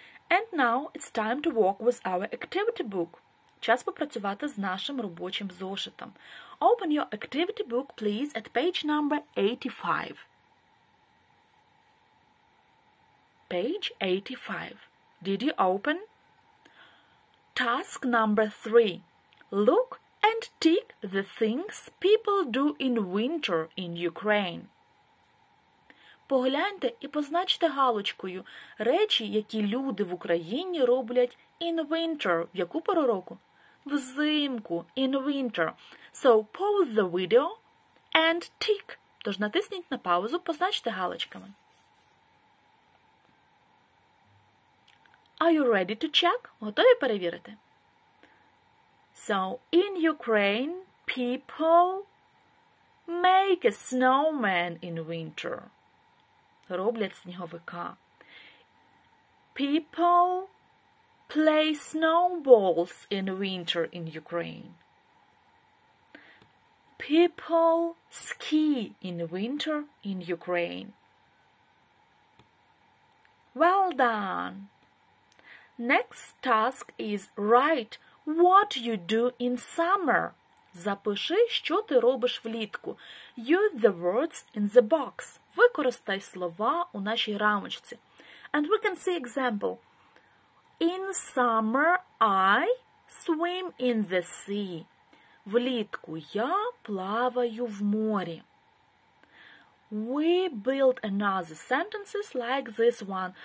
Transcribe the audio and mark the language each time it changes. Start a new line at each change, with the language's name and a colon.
English: And now it's time to work with our activity book.
Ukrainian: Час попрацювати з нашим робочим зошитом.
English: Open your activity book, please, at page number 85. Page 85. Did you open? Task number 3. Look and tick the things people do in winter in Ukraine.
Ukrainian: Погляньте і позначте галочкою речі, які люди в Україні роблять
English: in winter.
Ukrainian: В яку пору року? Взимку,
English: in winter. So, pause the video and tick.
Ukrainian: Тож натисніть на паузу, позначте галочками.
English: Are you ready to check?
Ukrainian: Готові перевірити?
English: So, in Ukraine, people make a snowman in winter.
Ukrainian: Роблять сніговика.
English: People play snowballs in winter in Ukraine. People ski in winter in Ukraine. Well done! Next task is write what you do in summer.
Ukrainian: Запиши, що ти робиш влітку.
English: Use the words in the box.
Ukrainian: Використай слова у нашій рамочці.
English: And we can see example. In summer I swim in the sea.
Ukrainian: Влітку я плаваю в морі.
English: We build another sentences like this one.